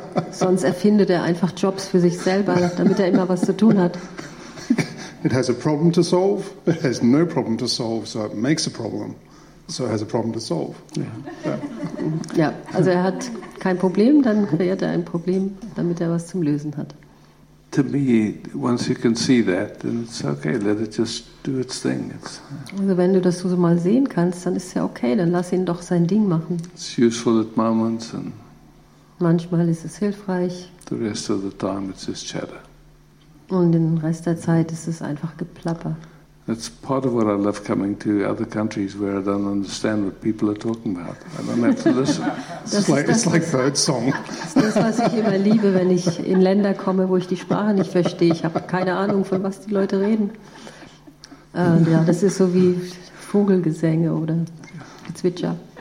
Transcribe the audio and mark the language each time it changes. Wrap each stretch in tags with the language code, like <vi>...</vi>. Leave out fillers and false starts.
<de>Sonst erfindet er einfach Jobs für sich selber, damit er immer was zu tun hat.</de> <en>It has a problem to solve. It has no problem to solve, so it makes a problem. So it has a problem to solve.</en> <de>Ja, also er hat kein Problem, dann kreiert er ein Problem, damit er was zum Lösen hat.</de> <en>To me, once you can see that, then it's okay, let it just do its thing. It's,</en> <de>also wenn du das so mal sehen kannst, dann ist es ja okay, dann lass ihn doch sein Ding machen.</de> <en>It's useful at moments and</en> <de>manchmal ist es hilfreich.</de> <en>The rest of the time it's just chatter.</en> <de>Und den Rest der Zeit ist es einfach Geplapper.</de> <en>That's part of what I love coming to other countries where I don't understand what people are talking about. I don't have to listen. It's like Birdsong.</en> <de>Das ist das, was ich immer liebe, wenn ich in Länder komme, wo ich die Sprache nicht verstehe. Ich habe keine Ahnung, von was die Leute reden. Ja, das ist so wie Vogelgesänge oder Gezwitscher.</de>